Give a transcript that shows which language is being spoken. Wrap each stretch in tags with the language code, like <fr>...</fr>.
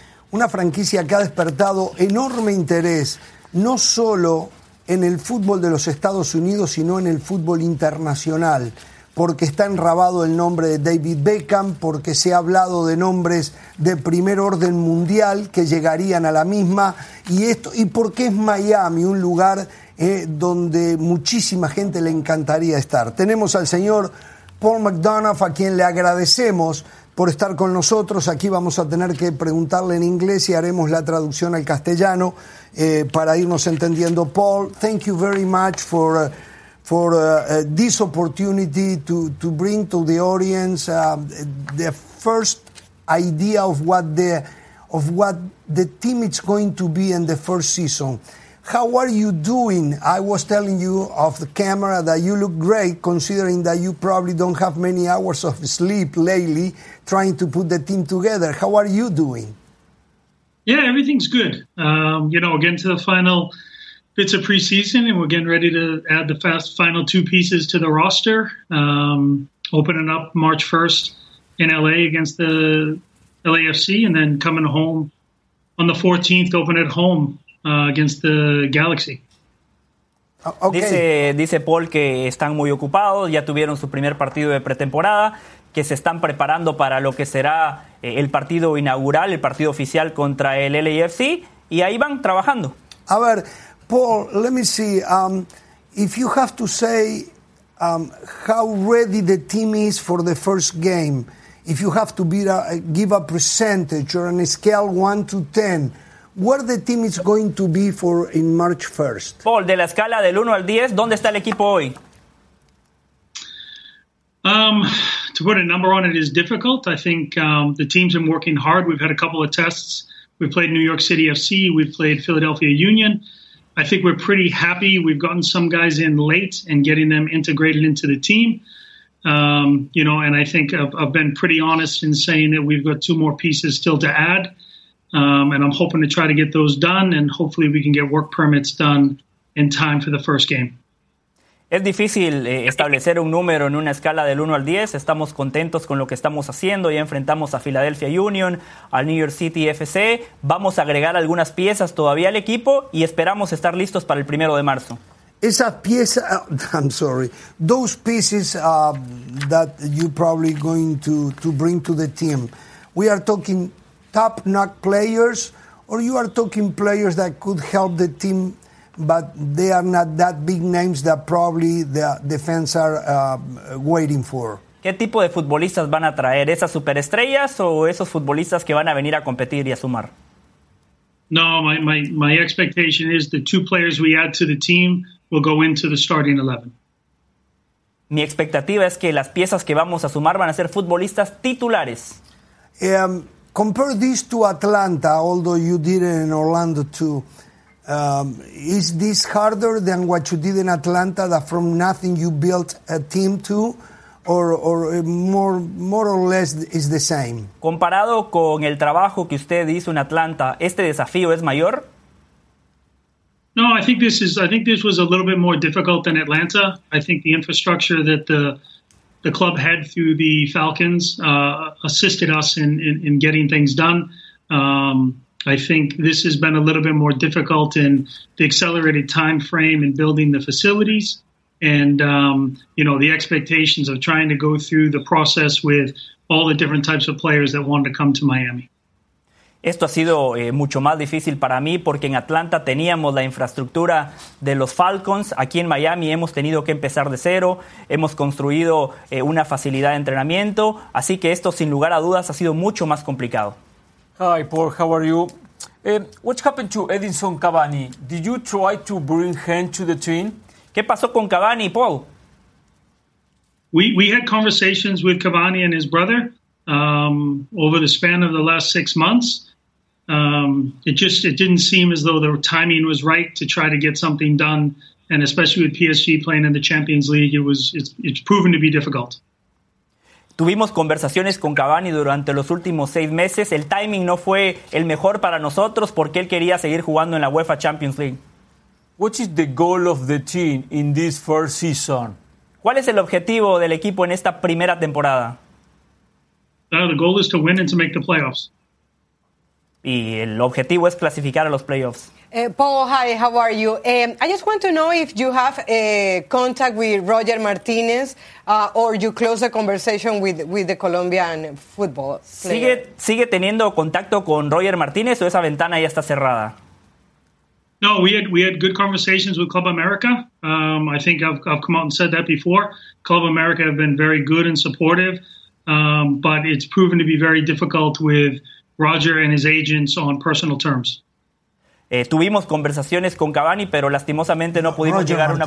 <es>una franquicia que ha despertado enorme interés, no solo en el fútbol de los Estados Unidos, sino en el fútbol internacional, porque está enrabado el nombre de David Beckham, porque se ha hablado de nombres de primer orden mundial que llegarían a la misma, y porque es Miami un lugar donde muchísima gente le encantaría estar. Tenemos al señor Paul McDonough, a quien le agradecemos por estar con nosotros. Aquí vamos a tener que preguntarle en inglés y haremos la traducción al castellano para irnos entendiendo.</es> <en>Paul, thank you very much for this opportunity to bring to the audience the first idea of what the team is going to be in the first season. How are you doing? I was telling you off the camera that you look great, considering that you probably don't have many hours of sleep lately trying to put the team together. How are you doing? Yeah, everything's good. We're getting to the final bits of preseason, and we're getting ready to add the final 2 pieces to the roster, opening up March 1st in L.A. against the LAFC, and then coming home on the 14th, open at home. Against the Galaxy. Okay.</en> <es>Dice Paul que están muy ocupados, ya tuvieron su primer partido de pretemporada, que se están preparando para lo que será el partido inaugural, el partido oficial contra el LAFC, y ahí van trabajando. A ver,</es> <en>Paul, let me see. If you have to say how ready the team is for the first game, if you have to give a percentage or on a scale 1 to 10, Where the team is going to be for in March 1st?</en> <es>Paul, de la escala del 1 al 10, ¿dónde está el equipo hoy?</es> <en>To put a number on it is difficult. I think the team's been working hard. We've had a couple of tests. We've played New York City FC. We've played Philadelphia Union. I think we're pretty happy. We've gotten some guys in late and getting them integrated into the team. You know, and I think I've been pretty honest in saying that we've got two more pieces still to add. And I'm hoping to try to get those done, and hopefully we can get work permits done in time for the first game.</en> <es>Es difícil establecer un número en una escala del 1 al 10. Estamos contentos con lo que estamos haciendo. Ya enfrentamos a Philadelphia Union, al New York City FC. Vamos a agregar algunas piezas todavía al equipo y esperamos estar listos para el 1 de marzo. Esa pieza,</es> <en>I'm sorry, those pieces that you're probably going to bring to the team. We are talking top-notch players, or you are talking players that could help the team, but they are not that big names that probably the defense are waiting for.</en> <es>¿Qué tipo de futbolistas van a traer? ¿Esas superestrellas o esos futbolistas que van a venir a competir y a sumar?</es> <en>No, my expectation is the two players we add to the team will go into the starting 11.</en> <es>Mi expectativa es que las piezas que vamos a sumar van a ser futbolistas titulares.</es> <en>Compare this to Atlanta, although you did it in Orlando too. Is this harder than what you did in Atlanta, that from nothing you built a team to, or more or less is the same?</en> <es>Comparado con el trabajo que usted hizo en Atlanta, ¿este desafío es mayor?</es> <en>No, I think this was a little bit more difficult than Atlanta. I think the infrastructure that the club had through the Falcons assisted us in getting things done. I think this has been a little bit more difficult in the accelerated time frame in building the facilities and, you know, the expectations of trying to go through the process with all the different types of players that wanted to come to Miami.</en> <es>Esto ha sido mucho más difícil para mí porque en Atlanta teníamos la infraestructura de los Falcons. Aquí en Miami hemos tenido que empezar de cero. Hemos construido una facilidad de entrenamiento. Así que esto, sin lugar a dudas, ha sido mucho más complicado.</es> <en>Hi, Paul. How are you? What happened to Edinson Cavani? Did you try to bring him to the team?</en> <es>¿Qué pasó con Cavani, Paul?</es> <en>We had conversations with Cavani and his brother over the span of the last 6 months. It didn't seem as though the timing was right to try to get something done, and especially with PSG playing in the Champions League, it's proven to be difficult.</en> <es>Tuvimos conversaciones con Cavani durante los últimos 6 meses. El timing no fue el mejor para nosotros porque él quería seguir jugando en la UEFA Champions League.</es> <en>What is the goal of the team in this first season?</en> <es>¿Cuál es el objetivo del equipo en esta primera temporada?</es> <en>The goal is to win and to make the playoffs.</en> <es>Y el objetivo es clasificar a los playoffs.</es> <en>Paul, hi, how are you? I just want to know if you have contact with Roger Martinez or you close the conversation with the Colombian football player.</en> <es>¿Sigue teniendo contacto con Roger Martinez o esa ventana ya está cerrada?</es> <en>No, we had good conversations with Club America. I think I've come out and said that before. Club America have been very good and supportive, but it's proven to be very difficult with Roger and his agents on personal terms.</en> <es>Tuvimos conversaciones con Cavani, pero lastimosamente no pudimos Roger llegar a una...</es>